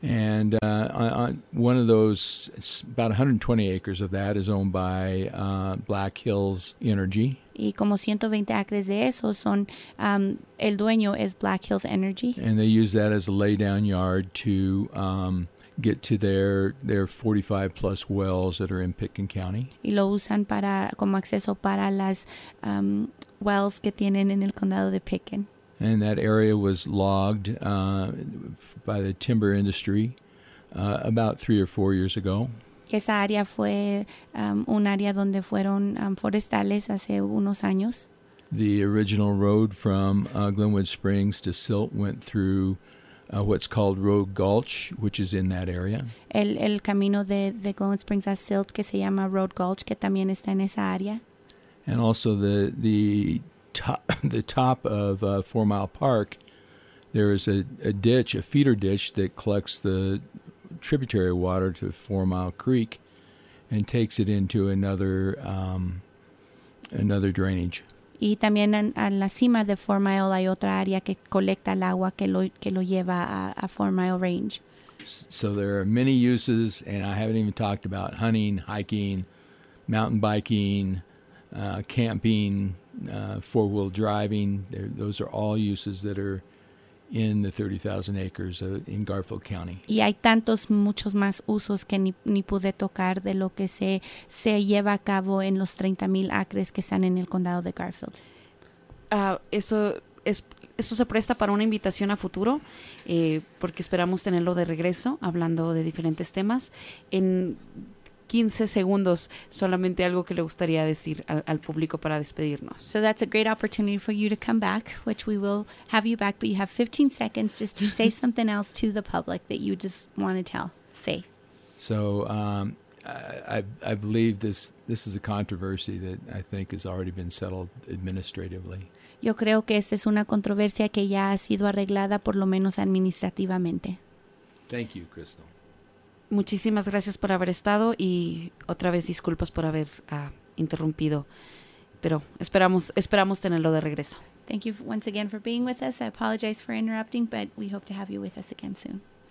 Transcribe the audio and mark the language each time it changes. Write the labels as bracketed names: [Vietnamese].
[English] And one of those, about 120 acres of that, is owned by Black Hills Energy. [Spanish] Y como 120 acres de eso son, el dueño es Black Hills Energy. [English] And they use that as a lay down yard to get to their 45 plus wells that are in Pitkin County. [Spanish] Y lo usan para como acceso para las wells que tienen en el condado de Pitkin. [English] And that area was logged by the timber industry about 3 or 4 years ago. [Spanish] Esa área fue un área donde fueron forestales hace unos años. [English] The original road from Glenwood Springs to Silt went through what's called Rogue Gulch, which is in that area. [Spanish] El camino de Glenwood Springs a Silt, que se llama Rogue Gulch, que también está en esa área. [English] And also the top of Four Mile Park, there is a feeder ditch that collects the tributary water to Four Mile Creek and takes it into another drainage. [Spanish] Y también en la cima de Four Mile hay otra área que colecta el agua que lo lleva a Four Mile Range. [English] So there are many uses, and I haven't even talked about hunting, hiking, mountain biking, camping, four-wheel driving. Those are all uses that are in the 30,000 acres in Garfield County. [Spanish] Y hay tantos, muchos más usos que ni pude tocar de lo que se lleva a cabo en los 30,000 acres que están en el condado de Garfield. Eso se presta para una invitación a futuro, porque esperamos tenerlo de regreso hablando de diferentes temas. En 15 segundos, solamente algo que le gustaría decir al público para despedirnos. [English] So that's a great opportunity for you to come back, which we will have you back, but you have 15 seconds just to say something else to the public that you just want to tell. Say. So I believe this is a controversy that I think has already been settled administratively. [Spanish] Yo creo que esta es una controversia que ya ha sido arreglada por lo menos administrativamente. [English] Thank you, Crystal. [Spanish] Muchísimas gracias por haber estado y otra vez disculpas por haber interrumpido, pero esperamos tenerlo de regreso. [English] Thank you once again for being with us. I apologize for interrupting, but we hope to have you with us again soon.